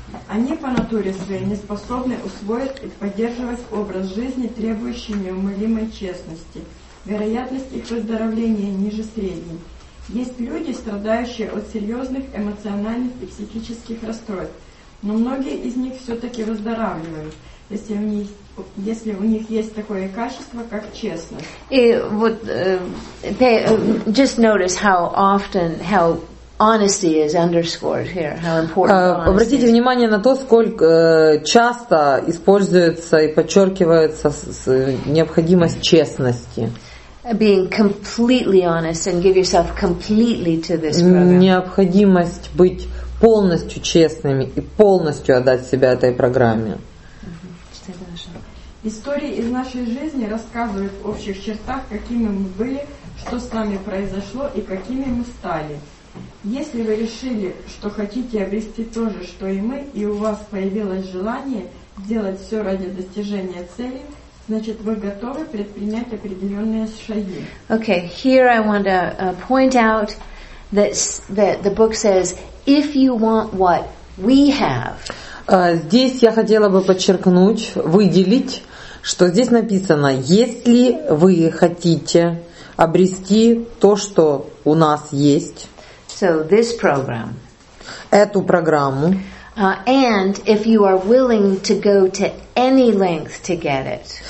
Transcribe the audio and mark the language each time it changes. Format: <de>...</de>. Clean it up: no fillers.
<ru>Они по натуре своей не способны усвоить и поддерживать образ жизни, требующий неумолимой честности. Вероятность их выздоровления ниже средней. Есть люди, страдающие от серьезных эмоциональных и психических расстройств, но многие из них все-таки выздоравливают, если у них есть такое качество, как честность. И вот,</ru> <en>just notice how often, how honesty is underscored here, how important honesty.</en> <ru>Обратите внимание на то, сколько часто используется и подчеркивается необходимость честности.</ru> <en>Being completely honest and give yourself completely to this program.</en> <ru>Необходимость быть полностью честными и полностью отдать себя этой программе. Истории из нашей жизни рассказывают в общих чертах, какими мы были, что с нами произошло и какими мы стали. Если вы решили, что хотите обрести то же, что и мы, и у вас появилось желание делать все ради достижения цели, значит, вы готовы предпринять определенные шаги.</ru> <en>Okay, here I want to point out that the book says, if you want what we have.</en> <ru>Здесь я хотела бы подчеркнуть, выделить, что здесь написано, если вы хотите обрести то, что у нас есть.</ru> <en>So this program.</en> <ru>Эту программу.</ru> <en>And if you are willing to go to any length to get it.</en>